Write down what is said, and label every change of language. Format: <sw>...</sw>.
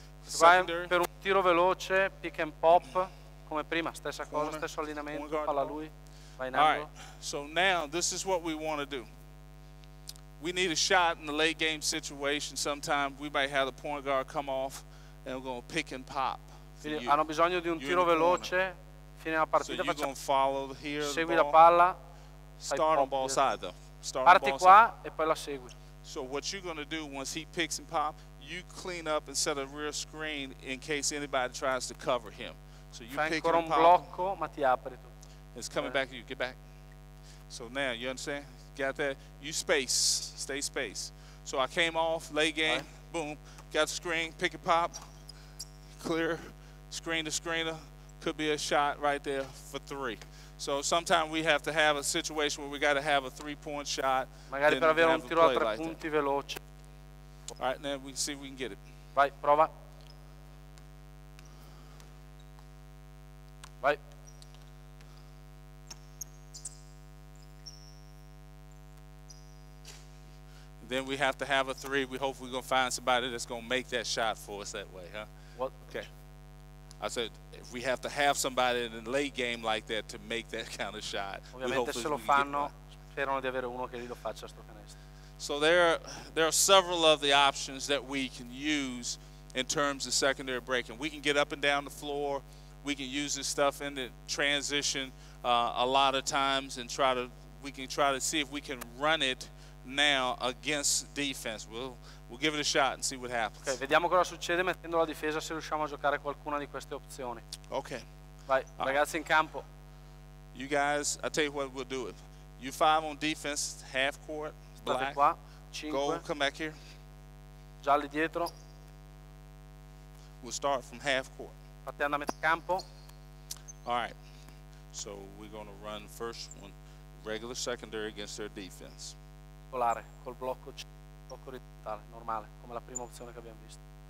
<it>Per un tiro veloce, pick and pop, come prima, stessa cosa, stesso allineamento, palla a lui, vai in angolo.</it> <en>All right, so now this is what we want to do. We need a shot in the late game situation sometime. We might have the point guard come off and we're going to pick and pop.</en> <it>Quindi hanno bisogno di un tiro veloce, fine della partita.</it> <en>So you're going to follow here the ball.</en> <it>Segui la palla.</it> <en>Start on ball side though. Start</en> <it>parti qua e poi la segui.</it> <en>So what you're going to do once he picks and pop, you clean up and set a rear screen in case anybody tries to cover him. So you</en> <it>fai</it> <en>pick</en> <it>ancora</it> <en>and pop</en> <it>un blocco, ma ti apri tu.</it> <en>It's coming back to you. Get back. So now, you understand? Got that? You space. Stay space. So I came off, late game, right. Boom. Got the screen, pick and pop. Clear. Screen to screener. Could be a shot right there for three. So sometimes we have to have a situation where we got to have a three-point shot.</en> <it>Magari per avere un tiro a tre punti veloce.</it> <en>All right, now we can see if we can get it.</en> <it>Vai, prova. Vai.</it> <en>Then we have to have a three. We hope we're going to find somebody that's going to make that shot for us that way, huh? What? Okay. I said, if we have to have somebody in a late game like that to make that kind of shot.</en> <it>Ovviamente se lo fanno, sperano di avere uno che lì lo faccia sto canestro.</it> <en>So there are several of the options that we can use in terms of secondary breaking. We can get up and down the floor. We can use this stuff in the transition a lot of times and try to see if we can run it now against defense. We'll give it a shot and see what happens.</en> <it>Okay, vediamo cosa succede mettendo la difesa se riusciamo a giocare qualcuna di queste opzioni. Okay. Vai, ragazzi in campo.</it> <en>You guys, I tell you what we'll do. You five on defense, half court. Black,</en> <it>qua, cinque,</it> <en>gold, come back here.</en> <it>Gialli dietro.</it> <en>We'll start from half court.</en> <it>Fate andare a metà campo.</it> <en>All right. So we're going to run first one, regular secondary against their defense.</en> <it>Colare, col blocco orizzontale, normale, come la prima opzione che abbiamo visto.</it>